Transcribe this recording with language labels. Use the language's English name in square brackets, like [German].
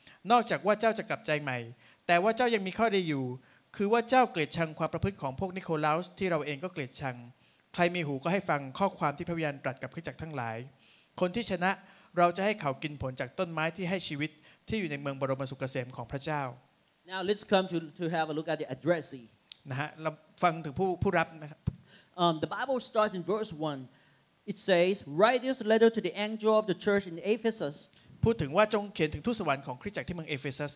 [Thai] นอกจากว่าเจ้าจะกลับใจใหม่แต่ว่าเจ้ายังมีข้อดีอยู่คือว่าเจ้าเกลียดชังความประพฤติของพวกนิโคลาสที่เราเองก็เกลียดชังใครมีหูก็ให้ฟังข้อความที่พระวิญญาณตรัสกับคริสตจักรทั้งหลายคนที่ชนะเราจะให้เขากินผลจากต้นไม้ที่ให้ชีวิตที่อยู่ในเมืองบรมสุขเกษมของพระเจ้า [English] Now let's come to have a look at the addressee [Thai] นะฮะเราฟังถึงผู้รับนะครับ [English] The Bible starts in verse 1It says, write this letter to the angel of the church in Ephesus. [Thai] พูดถึงว่าจงเขียนถึงทูตสวรรค์ของคริสตจักรที่เมืองเอเฟซัส